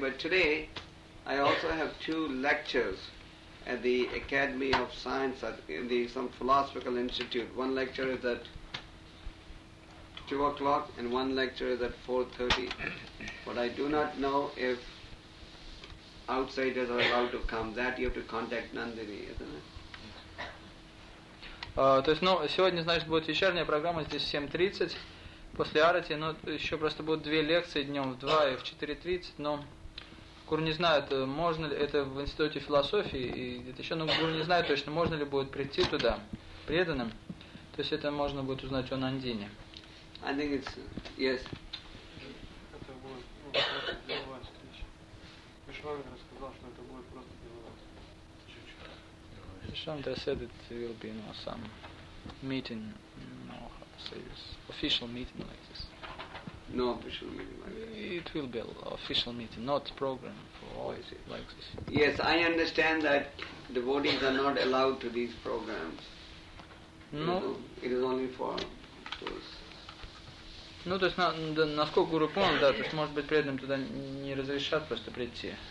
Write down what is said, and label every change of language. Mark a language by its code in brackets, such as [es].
[en] But today I also have two lectures at the Academy of Science in the some philosophical institute. One lecture is at 2:00 and one lecture is at 4:30. But I do not know if outsiders are allowed to come. That you have to contact Nandini, isn't it? [ru] Сегодня, значит, будет вечерняя программа, здесь 7:30, после арати, но еще просто будут две лекции днем в 2 и в 4:30, но Гуру не знает, можно ли это в Институте философии, и где-то еще, но Гуру не знает точно, можно ли будет прийти туда преданным, то есть это можно будет узнать о Нандине. [en] I think it's, yes. [ru] Это будет для вас. Вишвамитра рассказал, что это будет просто для вас. [en] Shantra said it will be, you know, some meeting, no, how to say this, official meeting like this. No official meeting like this. It will be an official meeting, not program for always like this. Yes, I understand that devotees are not allowed to these programs. No. You know, it is only for those. [ru] Ну, то есть, насколько Гуру понял, да, то есть, может быть, преданным туда не разрешат просто прийти.